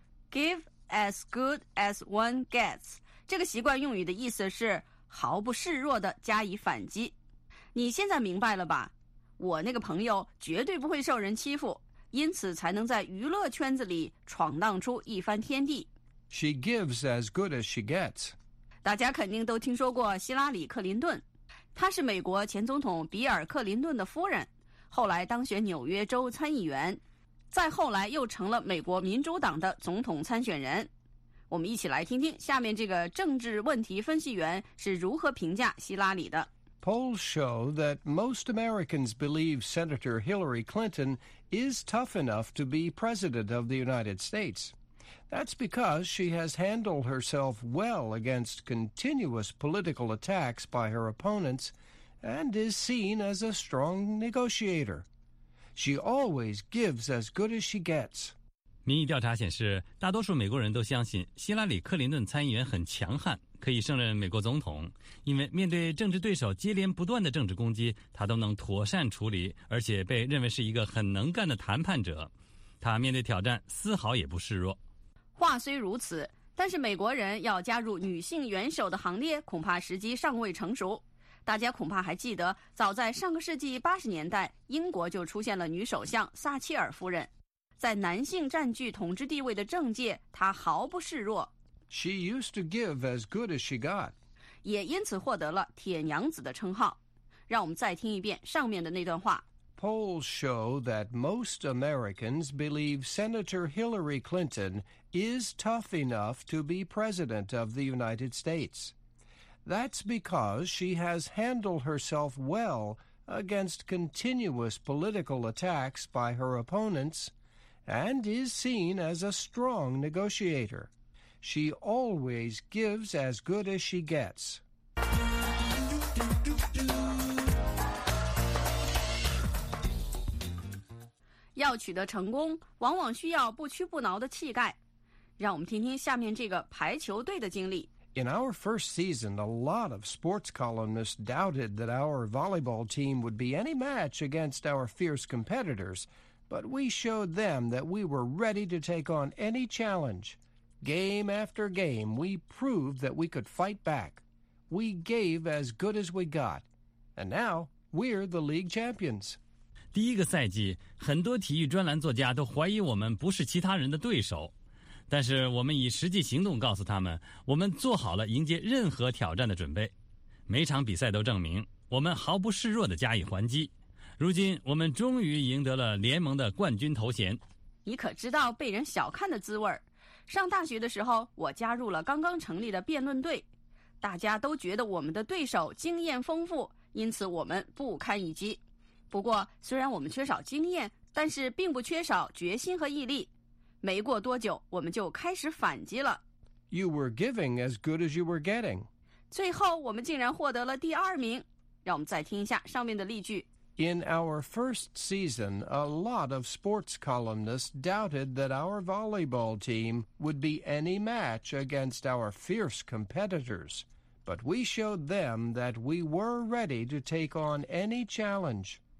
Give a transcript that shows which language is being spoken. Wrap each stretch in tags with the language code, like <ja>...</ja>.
<en>Give as good as one gets.</en> <zh>这个习惯用语的意思是毫不示弱地加以反击。你现在明白了吧？我那个朋友绝对不会受人欺负，因此才能在娱乐圈子里闯荡出一番天地。</zh> <en>She gives as good as she gets.</en> <zh>大家肯定都听说过希拉里·克林顿，她是美国前总统比尔·克林顿的夫人，后来当选纽约州参议员，再后来又成了美国民主党的总统参选人。我们一起来听听下面这个政治问题分析员是如何评价希拉里的。</zh> <en>Polls show that most Americans believe Senator Hillary Clinton is tough enough to be President of the United States. That's because she has handled herself well against continuous political attacks by her opponents and is seen as a strong negotiator. She always gives as good as she gets.</en> <zh>民意调查显示，大多数美国人都相信希拉里·克林顿参议员很强悍。可以胜任美国总统，因为面对政治对手接连不断的政治攻击，他都能妥善处理，而且被认为是一个很能干的谈判者。他面对挑战丝毫也不示弱。话虽如此，但是美国人要加入女性元首的行列，恐怕时机尚未成熟。大家恐怕还记得，早在上个世纪80年代，英国就出现了女首相撒切尔夫人。在男性占据统治地位的政界，她毫不示弱。</zh> <en>She used to give as good as she got.</en> <zh>也因此获得了铁娘子的称号。让我们再听一遍上面的那段话。</zh> <en>Polls show that most Americans believe Senator Hillary Clinton is tough enough to be President of the United States. That's because she has handled herself well against continuous political attacks by her opponents and is seen as a strong negotiator. She always gives as good as she gets.</en> <zh>要取得成功，往往需要不屈不挠的气概。让我们听听下面这个排球队的经历。</zh> <en>In our first season, a lot of sports columnists doubted that our volleyball team would be any match against our fierce competitors, but we showed them that we were ready to take on any challenge. Game after game, we proved that we could fight back. We gave as good as we got. And now, we're the league champions.</en> <zh>第一个赛季，很多体育专栏作家都怀疑我们不是其他人的对手，但是我们以实际行动告诉他们，我们做好了迎接任何挑战的准备。每场比赛都证明，我们毫不示弱地加以还击。如今，我们终于赢得了联盟的冠军头衔。你可知道被人小看的滋味？上大学的时候，我加入了刚刚成立的辩论队，大家都觉得我们的对手经验丰富，因此我们不堪一击。不过，虽然我们缺少经验，但是并不缺少决心和毅力。没过多久，我们就开始反击了。</zh> <en>You were giving as good as you were getting.</en> <zh>最后，我们竟然获得了第二名。让我们再听一下上面的例句。</zh> <en>In our first season, a lot of sports columnists doubted that our volleyball team would be any match against our fierce competitors. But we showed them that we were ready to take on any challenge.</en>